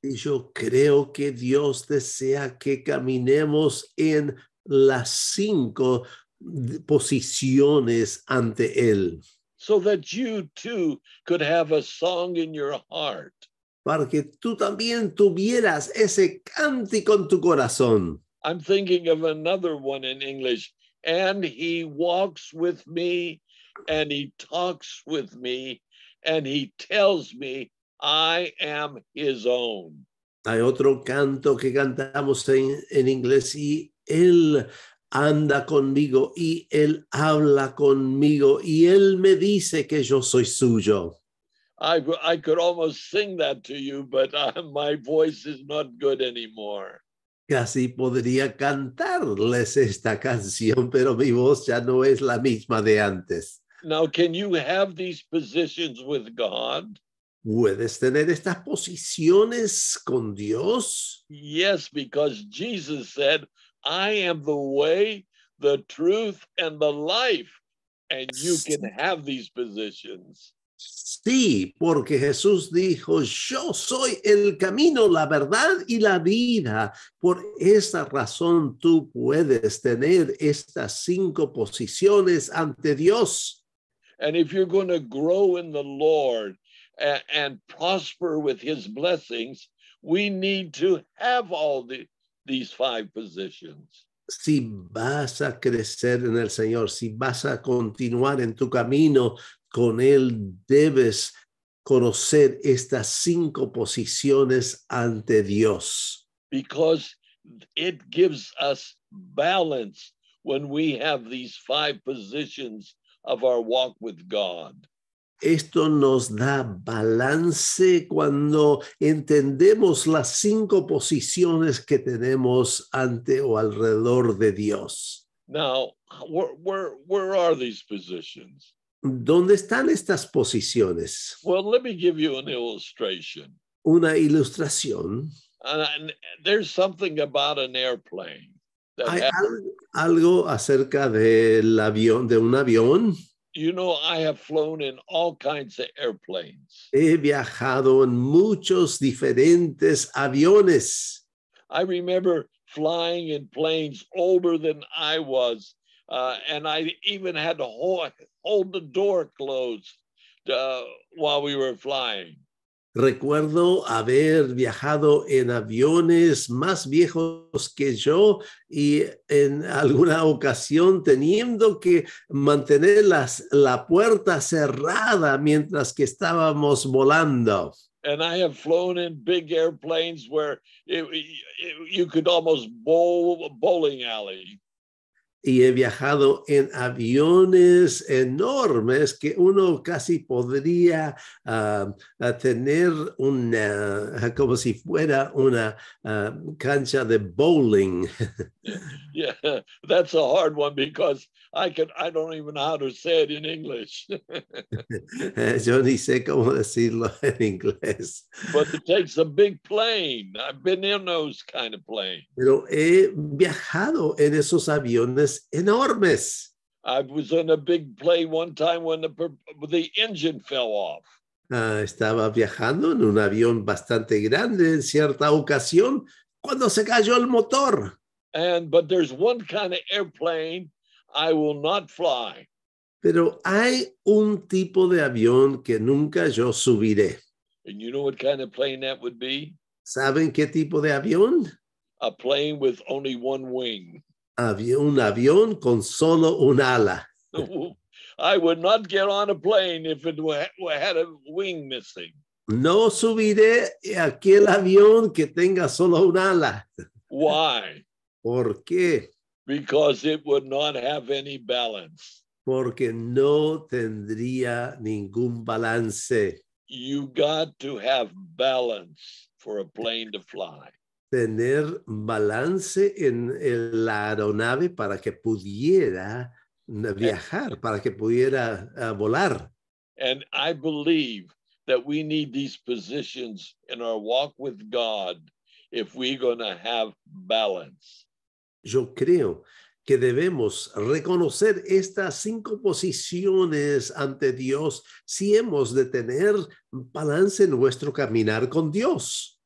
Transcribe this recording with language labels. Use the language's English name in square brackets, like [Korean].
[Spanish] Y yo creo que Dios desea que caminemos en las cinco posiciones ante él. [English] So that you too could have a song in your heart. [Spanish] para que tú también tuvieras ese cántico en tu corazón. [English] I'm thinking of another one in English. And he walks with me, and he talks with me, and he tells me I am his own. [Spanish] Hay otro canto que cantamos en inglés, y él anda conmigo, y él habla conmigo, y él me dice que yo soy suyo. [English] I could almost sing that to you, but my voice is not good anymore. [Spanish] Casi podría cantarles esta canción, pero mi voz ya no es la misma de antes. [English] Now, can you have these positions with God? [Spanish] ¿Puedes tener estas posiciones con Dios? [English] Yes, because Jesus said, I am the way, the truth, and the life. And you can have these positions. [Spanish] Sí, porque Jesús dijo, yo soy el camino, la verdad y la vida. Por esa razón, tú puedes tener estas cinco posiciones ante Dios. [English] And if you're going to grow in the Lord, and prosper with his blessings, we need to have all these five positions. [Spanish] Si vas a crecer en el Señor, si vas a continuar en tu camino con él, debes conocer estas cinco posiciones ante Dios. [English] Because it gives us balance when we have these five positions of our walk with God. [Spanish] Esto nos da balance cuando entendemos las cinco posiciones que tenemos ante o alrededor de Dios. [English] Now, where are these positions? [Spanish] ¿Dónde están estas posiciones? [English] Well, let me give you an illustration. [Spanish] Una ilustración. [English] There's something about an airplane. [Spanish] Hay algo acerca del avión, de un avión. [English] You know, I have flown in all kinds of airplanes. [Spanish] He viajado en muchos diferentes aviones. [English] I remember flying in planes older than I was, and I even had to hold the door closed while we were flying. [Spanish] Recuerdo haber viajado en aviones más viejos que yo y en alguna ocasión teniendo que mantener la puerta cerrada mientras que estábamos volando. [English] And I have flown in big airplanes where you could almost bowl a bowling alley. [Spanish] Y he viajado en aviones enormes que uno casi podría tener una, como si fuera una cancha de bowling. [English] Yeah, that's a hard one because I don't even know how to say it in English. [Spanish] Yo ni sé cómo decirlo en inglés. [English] But it takes a big plane. I've been in those kind of planes. [Spanish] Pero he viajado en esos aviones enormes. [English] I was in a big plane one time when the engine fell off. [Spanish] Estaba viajando en un avión bastante grande en cierta ocasión cuando se cayó el motor. [English] But there's one kind of airplane I will not fly. [Spanish] Pero hay un tipo de avión que nunca yo subiré. [English] And you know what kind of plane that would be? [Spanish] ¿Saben qué tipo de avión? [English] A plane with only one wing. [Spanish] Un avión con solo un ala. [English] I would not get on a plane if it had a wing missing. [Spanish] No subiré aquel avión que tenga solo un ala. [English] Why? [Spanish] ¿Por qué? [English] Because it would not have any balance. [Spanish] Porque no tendría ningún balance. [English] You got to have balance for a plane to fly. [Spanish] Tener balance en la aeronave para que pudiera viajar, para que pudiera volar. [English] And I believe that we need these positions in our walk with God if we're going to have balance. [Spanish] Yo creo que debemos reconocer estas cinco posiciones ante Dios si hemos de tener balance en nuestro caminar con Dios.